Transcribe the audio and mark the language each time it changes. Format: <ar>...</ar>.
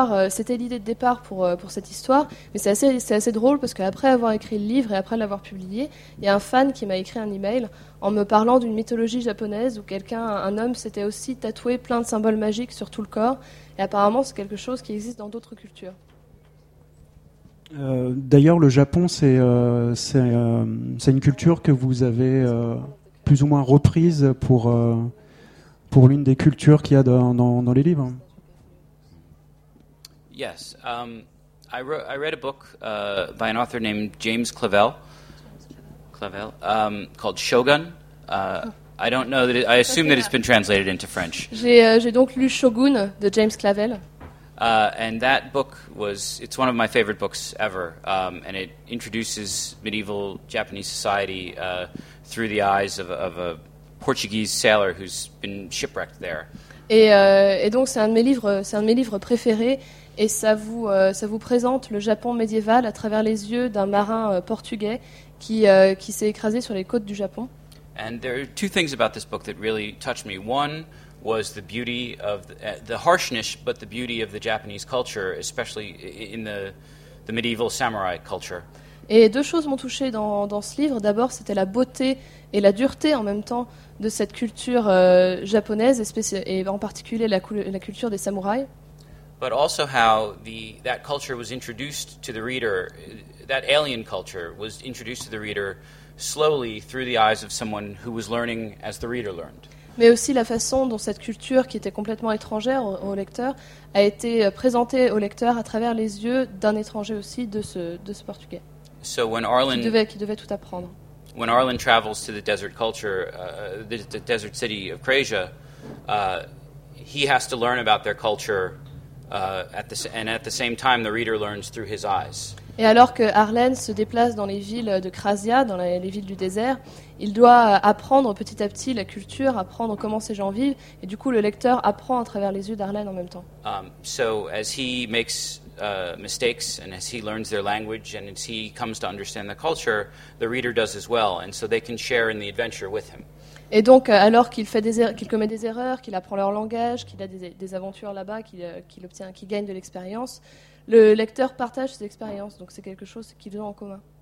<fr>C'était l'idée de départ pour cette histoire, mais c'est assez drôle parce qu'après avoir écrit le livre et après l'avoir publié, il y a un fan qui m'a écrit un email en me parlant d'une mythologie japonaise où un homme s'était aussi tatoué plein de symboles magiques sur tout le corps, et apparemment c'est quelque chose qui existe dans d'autres cultures. D'ailleurs, le Japon, c'est une culture que vous avez plus ou moins reprise pour l'une des cultures qu'il y a dans les livres.</fr> <en>Yes, I read a book by an author named James Clavell. Clavell, called Shogun. I don't know that. I assume that it's been translated into French.</en> <fr>J'ai donc lu Shogun de James Clavell.</fr> <en>And that book it's one of my favorite books ever, and it introduces medieval Japanese society through the eyes of a Portuguese sailor who's been shipwrecked there.</en> <fr>Et donc c'est un de mes livres préférés, et ça vous présente le Japon médiéval à travers les yeux d'un marin portugais qui s'est écrasé sur les côtes du Japon.</fr> <en>And there are two things about this book that really touched me. One was the beauty of the harshness, but the beauty of the Japanese culture, especially in the medieval samurai culture.</en> <fr>Et deux choses m'ont touché dans ce livre. D'abord, c'était la beauté et la dureté en même temps de cette culture japonaise, et en particulier la culture des samouraïs.</fr> <en>But also how that culture was introduced to the reader, that alien culture was introduced to the reader slowly through the eyes of someone who was learning as the reader learned.</en> <fr>Mais aussi la façon dont cette culture, qui était complètement étrangère au lecteur, a été présentée au lecteur à travers les yeux d'un étranger aussi, de ce portugais.</fr> <en>So when Arlen,</en> <fr>qui devait tout apprendre.</fr> <en>When Arlen travels to the desert culture, the desert city of Croatia, he has to learn about their culture, at the same time, the reader learns through his eyes.</en> <fr>Et alors que Arlen se déplace dans les villes de Krasia, dans les villes du désert, il doit apprendre petit à petit la culture, apprendre comment ces gens vivent, et du coup le lecteur apprend à travers les yeux d'Arlen en même temps.</fr> <en>So as he makes mistakes and as he learns their language and as he comes to understand the culture, the reader does as well, and so they can share in the adventure with him.</en> <fr>Et donc alors qu'il commet des erreurs, qu'il apprend leur langage, qu'il a des aventures là-bas, qu'il gagne de l'expérience, le lecteur partage ses expériences, donc c'est quelque chose qu'ils ont en commun.</fr>